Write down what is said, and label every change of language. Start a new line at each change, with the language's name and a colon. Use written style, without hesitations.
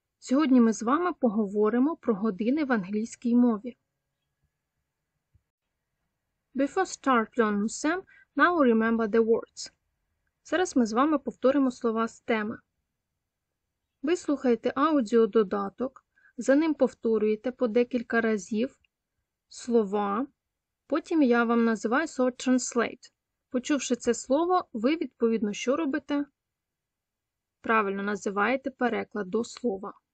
Ukrainian: Сьогодні ми з вами поговоримо про години в англійській мові.
English: Before start learning them, now we remember the words.
Ukrainian: Зараз ми з вами повторимо слова з теми. Ви слухаєте аудіододаток, за ним повторюєте по декілька разів слова, потім я вам називаю слово translate. Почувши це слово, ви відповідно що робите? Правильно, називаєте переклад до слова.